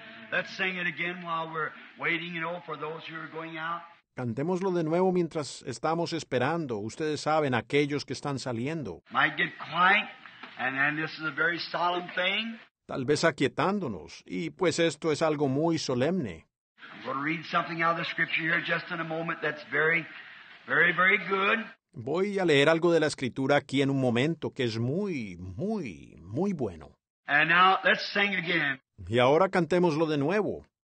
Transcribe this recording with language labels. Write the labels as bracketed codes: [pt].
[en] Let's sing it again while we're waiting, you know, for those who are going out. [es] Cantémoslo de nuevo mientras estamos esperando. Ustedes saben, aquellos que están saliendo. [en] Might get quiet, and then this is a very solemn thing. [es] tal vez aquietándonos, y pues esto es algo muy solemne. [en] I'm going to read something out of the scripture here just in a moment that's very, very, very good. [es] Voy a leer algo de la escritura aquí en un momento que es muy, muy, muy bueno. [en] And now let's sing again. [es] Y ahora cantémoslo de nuevo.